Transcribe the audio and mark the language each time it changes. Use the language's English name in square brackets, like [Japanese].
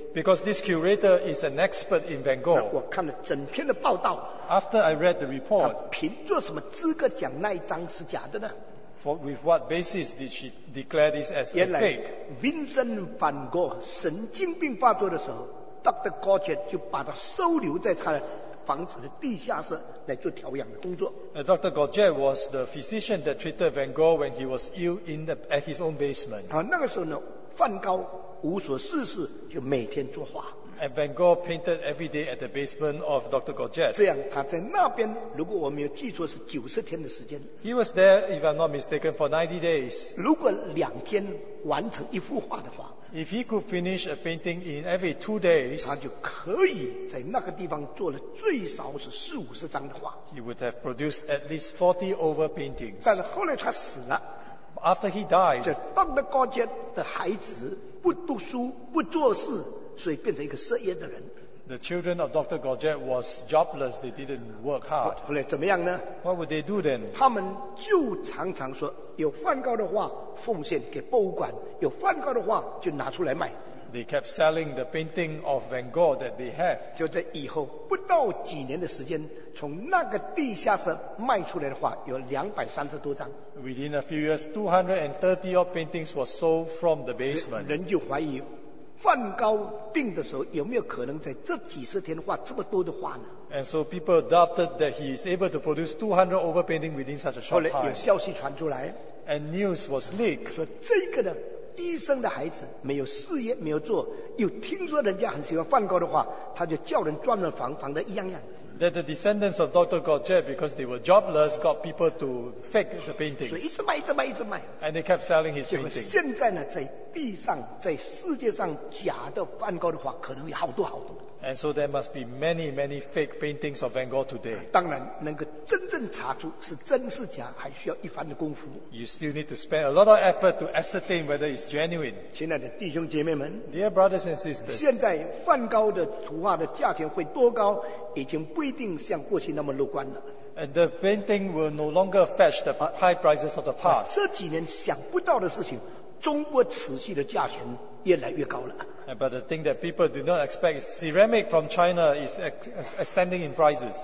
[English] Because this curator is an expert in Van Gogh. [Chinese] 我看了整篇的报道。 [English] After I read the report, [Chinese] 他凭着什么资格讲那一张是假的呢？ [English] With what basis did she declare this as a fake? [Chinese] Vincent van Gogh 神经病发作的时候 ，Dr. Gauthier 就把他收留在他的房子的地下室来做调养的工作。 [English] Dr. Gauthier was the physician that treated Van Gogh when he was ill at his own basement. [Chinese] 啊，那个时候呢，梵高无所事事，就每天作画。 [English] And Van Gogh painted every day at the basement of Dr. Gauthier. [Chinese] 这样，他在那边，如果我没有记错，是90天的时间。 [English] He was there, if I'm not mistaken, for 90 days. [Chinese] 如果2天完成一幅画的话 [English] ，If he could finish a painting in every 2 days, [Chinese] 他就可以在那个地方做了最少是40-50张的画。 [English] He would have produced at least 40 over paintings. [Chinese] 但是后来他死了 [English] ，After he died, [Chinese] 这 Dr. Gauthier 的孩子不读书，不做事。所以变成一个失业的人。 [English] The children of Dr. Gauthier was jobless. They didn't work hard. [Chinese] 后来怎么样呢 [English] ？What would they do then？ [Chinese] 他们就常常说，有梵高的画奉献给博物馆，有梵高的画就拿出来卖。 [English] They kept selling the painting of Van Gogh that they have. [Chinese] 就在以后不到几年的时间，从那个地下室卖出来的画有230多张。 [English] Within a few years, 230 of paintings were sold from the basement. [Chinese] 人就怀疑。梵高病的时候，有没有可能在这几十天画这么多的画呢？ [English] And so people doubted that he is able to produce 200 overpainting within such a short time. [Chinese] 后来有消息传出来， [English] And news was leaked. [Chinese] 说这个呢，医生的孩子没有事业，没有做，又听说人家很喜欢梵高的画，他就叫人专门仿仿的一样样。 [English] That the descendants of Dr. Gauguin, because they were jobless, got people to fake the paintings. [Chinese] 所以一直卖，一直卖，一直卖。 [English] And they kept selling his paintings. [Chinese] 结果现在呢，在地上，在世界上，假的梵高的画可能有好多好多。 [English] And so there must be many, many fake paintings of Van Gogh today. [Chinese] 当然，能够真正查出是真是假，还需要一番的功夫。 [English] You still need to spend a lot of effort to ascertain whether it's genuine. [Chinese] 亲爱的弟兄姐妹们 [English] ，Dear brothers and sisters， [Chinese] 现在梵高的图画的价钱会多高，已经不一定像过去那么乐观了。 [English] And the painting will no longer fetch the high prices of the past. [Chinese] 这几年想不到的事情，中国瓷器的价钱越来越高了。 [English] But the thing that people do not expect is ceramic from China is ascending in prices.